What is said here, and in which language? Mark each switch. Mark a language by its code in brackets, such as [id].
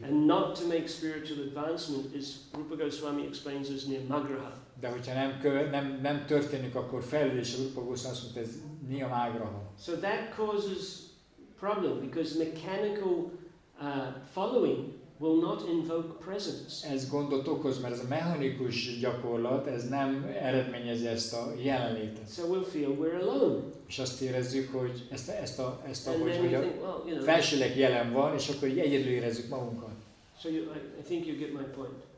[en] And not to make spiritual advancement, as Rupa Goswami explains, is niyamagraha. [hu] De hogyha nem történik, akkor fejlődés, a Rupa Goswami azt mondta, ez niyamagraha. [en] So that causes problem, because mechanical following will not invoke presence. [hu] Ez gondot okoz, mert ez a mechanikus gyakorlat, ez nem eredményezi ezt a jelenlétet. [en] So we'll feel we're alone. [hu] És azt érezzük, hogy ezt a hogy a felsőleg jelen van, és akkor egyedül érezzük magunkat. [en] So I think you get my point.